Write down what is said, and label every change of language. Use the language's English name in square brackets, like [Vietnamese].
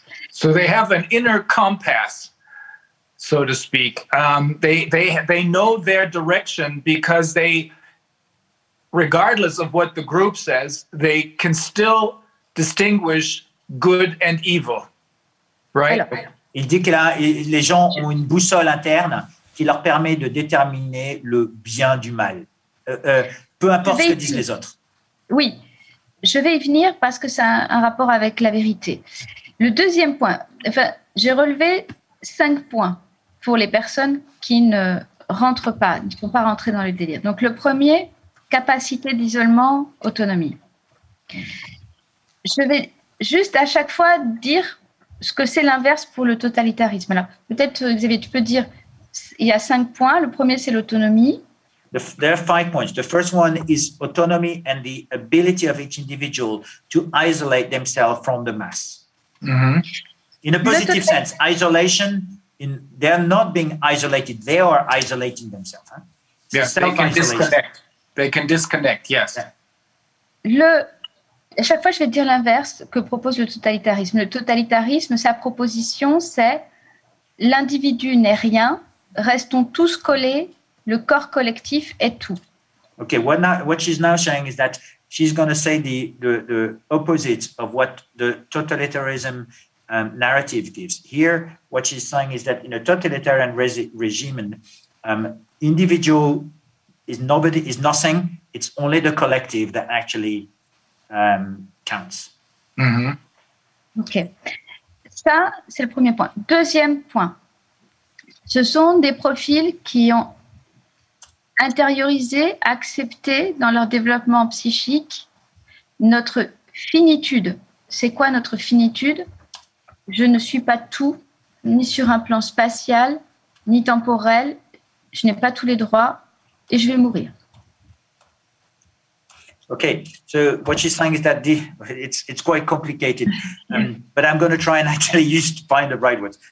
[English] So they have an inner compass, so to speak. They know their direction because they, regardless of what the group says, they can still distinguish good and evil, right? [French] Alors, il dit que là, les gens ont une boussole interne qui leur permet de déterminer le bien du mal. Peu importe ce que disent les autres. Oui, je vais y venir parce que ça a un rapport avec la vérité. Le deuxième point, enfin, j'ai relevé 5 points pour les personnes qui ne rentrent pas, qui ne sont pas rentrées dans le délire. Donc le premier, capacité d'isolement, autonomie. Je vais juste à chaque fois dire ce que c'est l'inverse pour le totalitarisme. Alors, peut-être, Xavier, tu peux dire, il y a 5 points. Le premier, c'est l'autonomie. [English] There are 5 points. The first one is autonomy and the ability of each individual to isolate themselves from the mass. Mm-hmm. In a positive sense, isolation, they're not being isolated. They are isolating themselves. Huh? Yeah, they can disconnect. They can disconnect, yes. [French] À chaque fois, je vais dire l'inverse que propose le totalitarisme. Le totalitarisme, sa proposition, c'est l'individu n'est rien, restons tous collés. Le corps collectif est tout. [English] Okay, what she's now saying is that she's going to say the opposite of what the totalitarianism narrative gives. Here, what she's saying is that in a totalitarian regime, individual is nobody, is nothing. It's only the collective that actually counts. Mm-hmm. [French] Okay, ça c'est le premier point. Deuxième point, ce sont des profils qui ont intérioriser, accepter dans leur développement psychique notre finitude. C'est quoi notre finitude? Je ne suis pas tout, ni sur un plan spatial, ni temporel. Je n'ai pas tous les droits et je vais mourir. [English] Okay, so what she's saying is that it's quite complicated, but I'm going to try and actually use to find the right words.